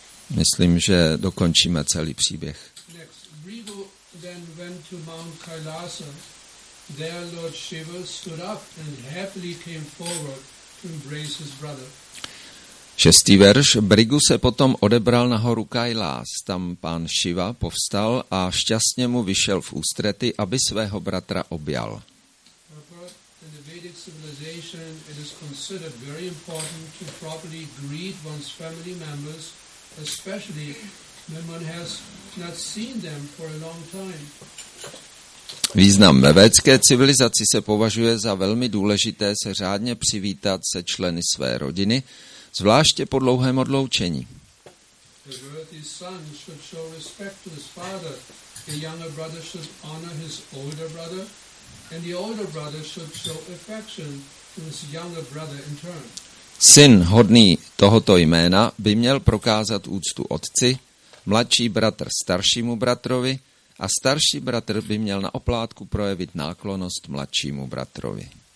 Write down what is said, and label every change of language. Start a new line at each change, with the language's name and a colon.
Czech: Myslím, že dokončíme celý příběh.
English: Next. Bhrigu then went to Mount Kailasa. There Lord Shiva stood up and happily came forward to embrace his brother.
Czech: Šestý verš. Bhrigu se potom odebral nahoru Kailas. Tam pán Shiva povstal a šťastně mu vyšel v ústrety, aby svého bratra objal.
English: In the Vedic civilization, it is considered very important to properly greet one's family members, especially when one has not seen them for a long time.
Czech: Význam ve védské civilizaci se považuje za velmi důležité se řádně přivítat se členy své rodiny, zvláště po dlouhém odloučení.
English: The worthy son should show respect to his father. The younger brother should honor his older brother. And the older brother should show affection to his younger brother in turn.
Czech: Syn hodný tohoto jména by měl prokázat úctu otci, mladší bratr staršímu bratrovi a starší bratr by měl na oplátku projevit náklonost mladšímu bratrovi.